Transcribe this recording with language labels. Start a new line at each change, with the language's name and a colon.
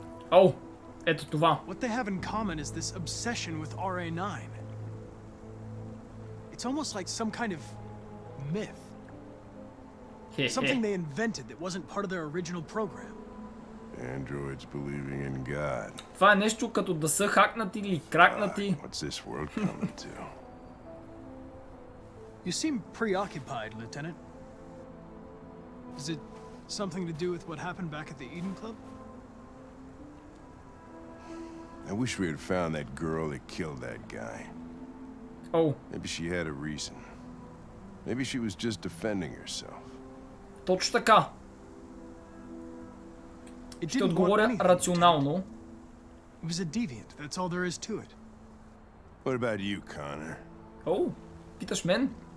Bulgarian: Oh, ето това.
English: What they have in common is this obsession with RA9. It's almost like some kind of myth. Something they invented that wasn't part of their original program. Androids believing in God.
Bulgarian: Това е нещо като да са хакнати или кракнати.
English: What's this world coming to? You seem preoccupied, Lieutenant. Is it something to do with what happened back at the Eden Club? I wish we had found that girl that killed that guy. Oh. Maybe she had a reason. Maybe she was just defending herself.
Bulgarian: Точно така. Ще отговоря рационално.
English: It was a deviant. That's all there is to it. What about you, Connor?
Bulgarian: Oh, питаш мен?